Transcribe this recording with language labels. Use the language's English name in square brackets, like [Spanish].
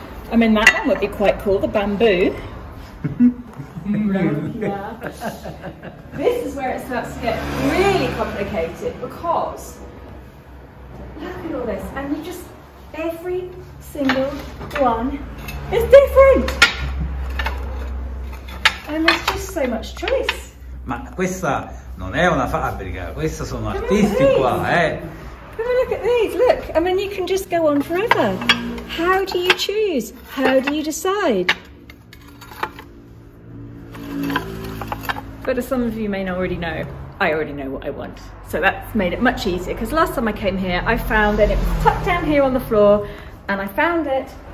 [English] I mean, that one would be quite cool, the bamboo. This is where it starts to get really complicated because look at all this, and you just every single one is different, and there's just so much choice. [Italian] Ma questa non è una fabbrica, questa sono artisti qua, eh? [English] Come look at these. Look, I mean, you can just go on forever. How do you choose? How do you decide? But as some of you may already know, I already know what I want. So that's made it much easier because last time I came here, I found that it was tucked down here on the floor and I found it.